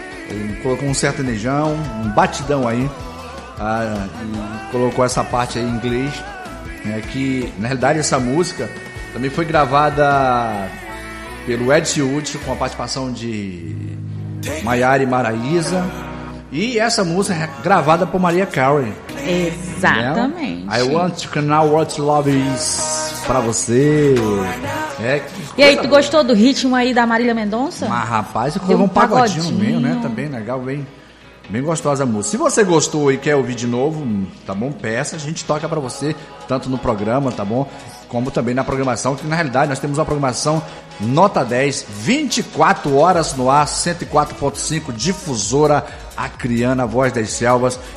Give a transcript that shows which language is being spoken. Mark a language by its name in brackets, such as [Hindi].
[Portuguese] Ele colocou um sertanejão, um batidão aí. E colocou essa parte aí em inglês. Né? Que, na realidade, essa música também foi gravada pelo Edson Wood, com a participação de Maiara e Maraíza. E essa música é gravada por Mariah Carey. Exatamente. Né? [English] I want to know what love is [Portuguese] pra você. É, e aí, tu gostou do ritmo aí da Marília Mendonça? Mas rapaz, colocou um pagodinho mesmo, né? Também legal, bem, bem gostosa a música. Se você gostou e quer ouvir de novo, tá bom? Peça, a gente toca pra você, tanto no programa, tá bom? Como também na programação, que na realidade nós temos uma programação nota 10, 24 horas no ar, 104.5, Difusora Acreana, Voz das Selvas.